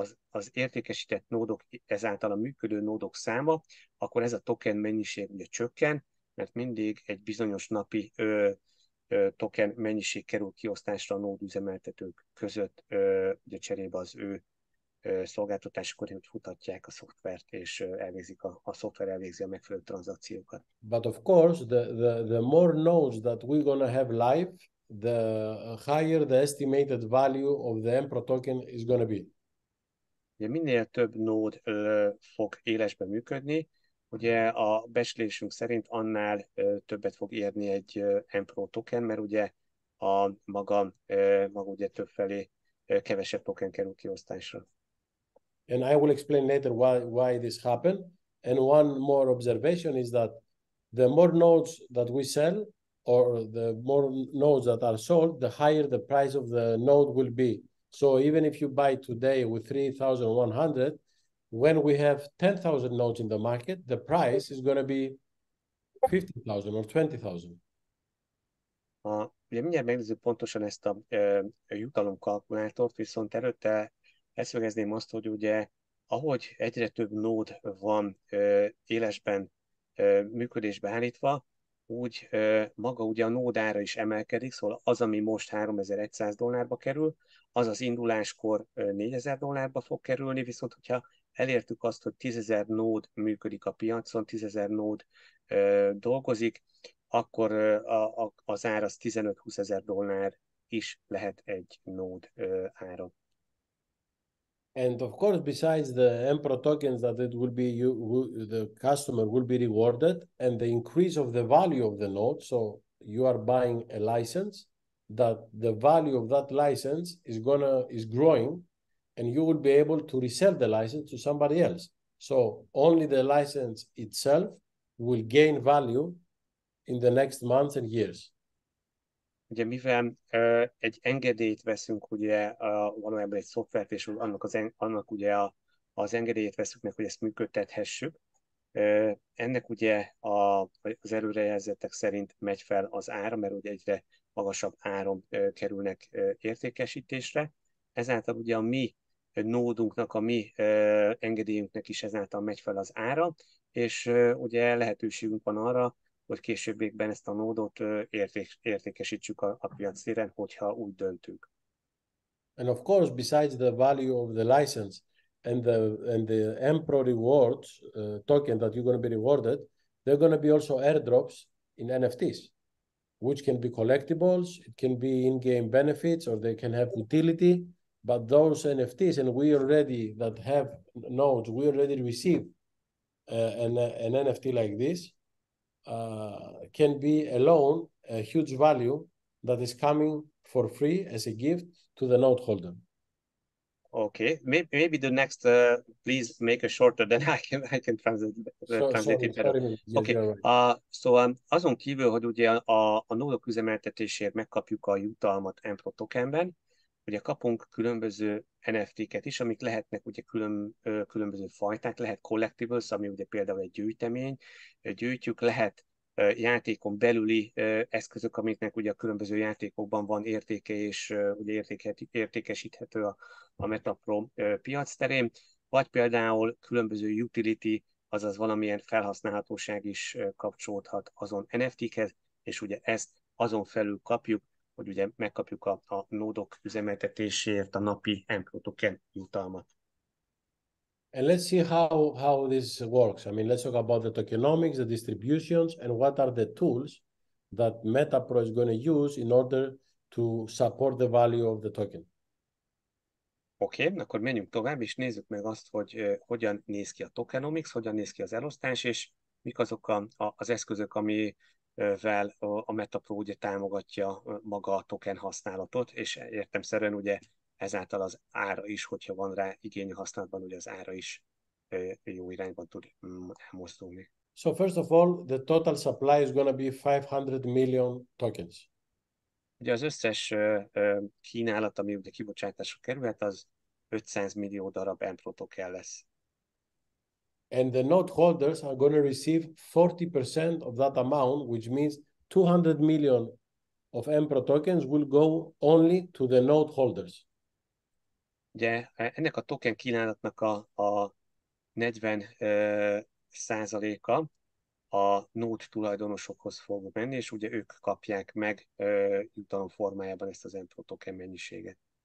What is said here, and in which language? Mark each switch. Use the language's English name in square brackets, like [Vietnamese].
[Hungarian] az értékesített nódok, ezáltal a működő nódok száma, akkor ez a token mennyiség ugye csökken, mert mindig egy bizonyos napi token mennyiség kerül kiosztásra a nód üzemeltetők között, ugye cserébe az ő szolgáltatásokon, hogy futatják a szoftvert, és a szoftver elvégzi a megfelelő tranzakciókat. [English] But of course, the more nodes that we're going to have live, the higher the estimated value of the EMPRO token is going to be. [Hungarian] Ugye minél több nód fog élesben működni, ugye a becslésünk szerint annál többet fog érni egy EMPRO token, mert ugye a maga ugye többfelé kevesebb token kerül kiosztásra. [English] And I will explain later why this happened. And one more observation is that the more nodes that we sell, or the more nodes that are sold, the higher the price of the node will be. So even if you buy today with 3,100, when we have 10,000 nodes in the market, the price is going to be 50,000 or 20,000. [Hungarian] Ugye mindjárt megnézzük pontosan ezt a jutalom kalkulátort, viszont előtte leszögezném azt, hogy ugye ahogy egyre több nód van élesben működésbe állítva, úgy maga ugye a nódára is emelkedik, szóval az, ami most 3100 dollárba kerül, az az induláskor 4000 dollárba fog kerülni, viszont hogyha elértük azt, hogy 10.000 nód működik a piacon, 10.000 nód dolgozik, akkor az ár az 15-20.000 dollár is lehet egy nód ára. [English] And of course, besides the Empro tokens, that it will be you, the customer will be rewarded, and the increase of the value of the node. So you are buying a license, that the value of that license is growing, and you will be able to resell the license to somebody else. So only the license itself will gain value in the next months and years. [Hungarian] Ugye mivel egy engedélyt veszünk, ugye valójában egy szoftvert, és annak ugye az engedélyt veszünk meg, hogy ezt működtethessük, ennek ugye az előrejelzettek szerint megy fel az ára, mert ugye egyre magasabb áron kerülnek értékesítésre. Ezáltal ugye a mi nódunknak, a mi engedélyünknek is ezáltal megy fel az ára, és ugye lehetőségünk van arra, hogy későbbiekben ezt a nódot értékesítsük a piac téren, hogyha úgy döntünk. [English] And of course, besides the value of the license and the Empro rewards token that you're going to be rewarded, there are going to be also airdrops in NFTs, which can be collectibles, it can be in-game benefits, or they can have utility. But those NFTs, and we already that have nodes, we already receive an NFT like this, can be a loan, a huge value that is coming for free as a gift to the note holder. Okay, maybe the next, please make it shorter, then I can translate it better. Yes, okay, right. [Hungarian] Azon kívül, hogy ugye a nódok üzemeltetésért megkapjuk a jutalmat Empro tokenben, ugye kapunk különböző NFT-ket is, amik lehetnek ugye különböző fajták, lehet collectibles, ami ugye például egy gyűjtemény, gyűjtjük, lehet játékon belüli eszközök, amiknek ugye a különböző játékokban van értéke, és ugye értékesíthető a Metapro piac terén, vagy például különböző utility, azaz valamilyen felhasználhatóság is kapcsolódhat azon NFT-khez, és ugye ezt azon felül kapjuk, hogy ugye megkapjuk a nódok üzemeltetéséért a napi Empro token jutalmat. [English] And let's see how this works. I mean, let's talk about the tokenomics, the distributions, and what are the tools that Metapro is going to use in order to support the value of the token. [Hungarian] Okay, akkor menjünk tovább, és nézzük meg azt, hogy hogyan néz ki a tokenomics, hogyan néz ki az elosztás, és mik azok az eszközök, ami vel a Metapro ugye támogatja maga a token használatot, és értelemszerűen ugye ezáltal az ára is, hogyha van rá igény használatban, ugye az ára is jó irányban tud mozdulni. [English] So first of all, the total supply is going to be 500 million tokens. [Hungarian] Ugye az összes kínálat, ami ugye kibocsátásra kerülhet, az 500 millió darab Empro token lesz. [English] And the note holders are going to receive 40% of that amount, which means 200 million of Empro tokens will go only to the note holders. [Hungarian] Ugye ennek a token kínálatnak a 40%-a a node tulajdonosokhoz fog menni, és ugye ők kapják meg jutalom formájában ezt az Empro token mennyiséget.